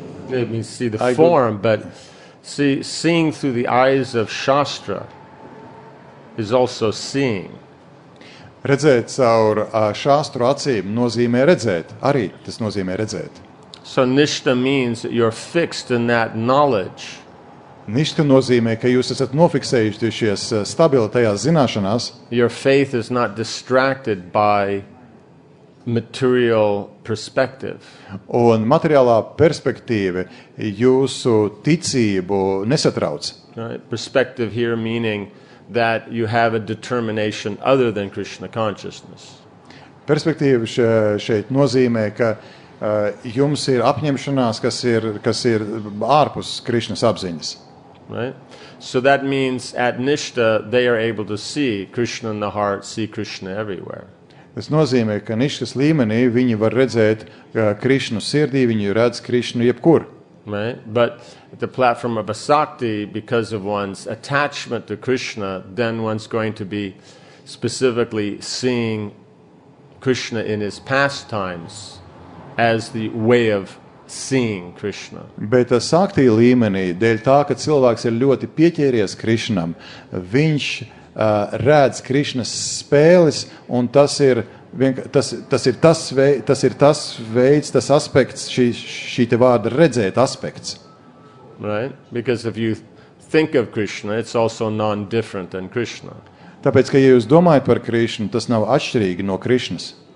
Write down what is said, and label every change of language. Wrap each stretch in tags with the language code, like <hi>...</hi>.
<en>It means see the form, but see, seeing through the eyes of Shastra is also seeing.</en> <lv>Redzēt caur šāstru acīm nozīmē redzēt. Arī tas nozīmē redzēt.</lv> <en>So nishta means that you're fixed in that knowledge.</en> <lv>Nishta nozīmē, ka jūs esat nofiksējušies stabili tajā zināšanās.</lv> <en>Your faith is not distracted by material perspective.</en> <lv>Un materiālā perspektīva jūsu ticību nesatrauc.</lv> <en>Right? Perspective here meaning that you have a determination other than Krishna consciousness.</en> <lv>Perspektīva šeit nozīmē, ka jums ir apņemšanās, kas ir ārpus Krišnas apziņas.</lv> <en>Right? So that means at nishta they are able to see Krishna in the heart, see Krishna everywhere.</en> <lv>Tas nozīmē, ka nishtas līmenī viņi var redzēt Krišnu sirdī, viņi redz Krišnu jebkur.</lv> <en>Right? But the platform of Asakti, because of one's attachment to Krishna, then one's going to be specifically seeing Krishna in his pastimes as the way of seeing Krishna.</en> <lv>Bet Asakti līmenī, dēļ tā, ka cilvēks ir ļoti pieķēries Krishnam, viņš redz Krishnas spēles, un tas ir tas aspekts, šī te vārda redzēt aspekts.</lv> <en>Right? Because if you think of Krishna, it's also non-different than Krishna.</en> <lv>Tāpēc, ka, ja jūs domājat par Krishnu, tas nav atšķirīgi no Krishnas.</lv>